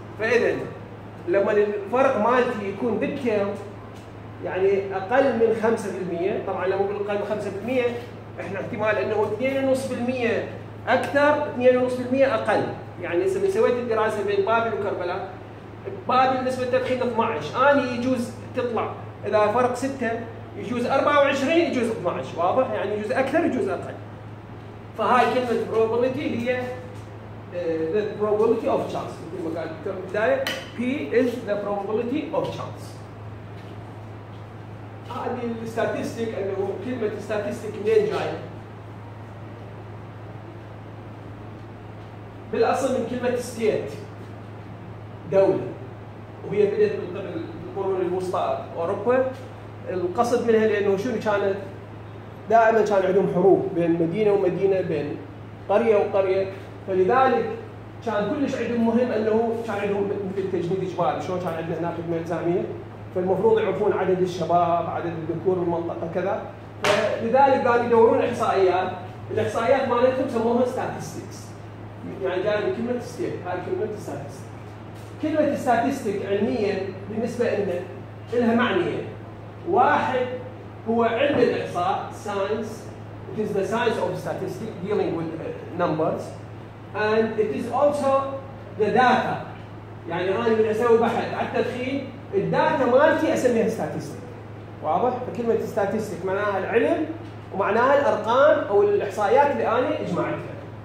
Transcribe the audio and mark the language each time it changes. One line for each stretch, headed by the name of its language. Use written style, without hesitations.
Arabic: فإذا لما الفرق مالتي يكون بالتيل يعني أقل من 5%، طبعا لما أقول أقل من 5% احنا احتمال أنه 2.5% أكثر 2.5% أقل. يعني إذا سويت الدراسة بين بابل وكربلاء، بابل نسبة التدخين 12، أنا يجوز تطلع إذا فرق 6 يجوز 24 يجوز 12، واضح؟ يعني يجوز أكثر يجوز أقل. فهاي كلمة
English: probability
Arabic: هي
English: the probability of chance،
Arabic: مثل ما قال الدكتور في البداية
English: P is the probability of chance.
Arabic: هذه الستاتستيك انه كلمة statistic منين جاية؟ بالاصل من كلمة state دولة، وهي بدأت من قبل القرون الوسطى اوروبا. القصد منها لانه شنو كانت؟ دائما كان عندهم حروب بين مدينة ومدينة بين قرية وقرية، فلذلك كان كلش عندهم مهم انه كان عندهم مثل تجنيد اجباري. شلون كان عندنا هناك بميلزامية؟ فالمفروض يعرفون عدد الشباب، عدد الذكور بالمنطقه كذا، فلذلك قاعد يدورون احصائيات، الاحصائيات مالتهم سموها statistics. يعني جاي من كلمه ستيت، هاي كلمه statistics. كلمه statistics علميا بالنسبه لنا لها معنيين. واحد هو علم الاحصاء
English: science، it is the science of statistics dealing with numbers. And it is also the data.
Arabic: يعني انا من اسوي بحث على التدخين الداتا مالتي اسميها statistic. واضح؟ فكلمة statistic معناها العلم ومعناها الارقام او الاحصائيات اللي انا اجمعتها.